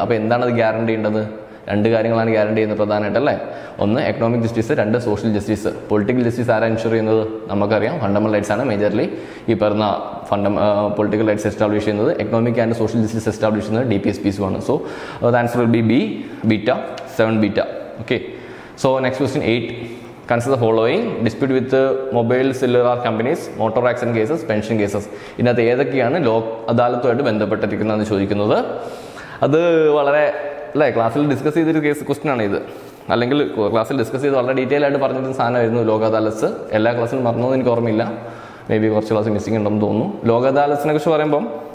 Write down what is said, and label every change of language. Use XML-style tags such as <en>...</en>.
<ml>അപ്പോൾ എന്താണ് അത് ഗ്യാരണ്ടി ഉണ്ടത്? രണ്ട് കാര്യങ്ങളാണ് ഗ്യാരണ്ടി ചെയ്യുന്നത് പ്രധാനമായിട്ട് അല്ലേ. ഒന്ന് എക്കണോമിക് ജസ്റ്റിസ്, രണ്ട് സോഷ്യൽ ജസ്റ്റിസ്. പൊളിറ്റിക്കൽ ജസ്റ്റിസ് ആരാണ് എൻഷുർ ചെയ്യുന്നത്? നമുക്കറിയാം ഫണ്ടമെന്റൽ റൈറ്റ്സ് ആണ് മേജർലി ഈ പറഞ്ഞ പൊളിറ്റിക്കൽ റൈറ്റ്സ് എസ്റ്റാബ്ലിഷ് ചെയ്യുന്നത്. Economic and social justice establish ചെയ്യുന്നത് ഡി പി എസ് പിസ് ആണ്.</ml> <en>So the answer will be B beta seven beta okay. So next question 8 consider the following dispute with mobile cellular companies, motor accident cases, pension cases.</en> <ml>ഇതിനകത്ത് ഏതൊക്കെയാണ് ലോക് അദാലത്തുമായിട്ട് ബന്ധപ്പെട്ടിരിക്കുന്നതെന്ന് ചോദിക്കുന്നത്. അത് വളരെ അല്ലേ ക്ലാസ്സിൽ discuss ചെയ്തൊരു കേസ് ക്വസ്റ്റ്യൻ ആണ് ഇത്. അല്ലെങ്കിൽ ക്ലാസ്സിൽ ഡിസ്കസ് ചെയ്ത് വളരെ ഡീറ്റെയിൽ ആയിട്ട് പറഞ്ഞിരുന്ന സാധനമായിരുന്നു ലോക് അദാലത്ത്. എല്ലാ ക്ലാസ്സിലും മറന്നു എനിക്ക് ഓർമ്മയില്ല, മേ ബി കുറച്ച് ക്ലാസ് മിസ്സിംഗ് ഉണ്ടെന്ന് തോന്നുന്നു. ലോക് അദാലത്തിനെ കുറിച്ച് പറയുമ്പം</ml>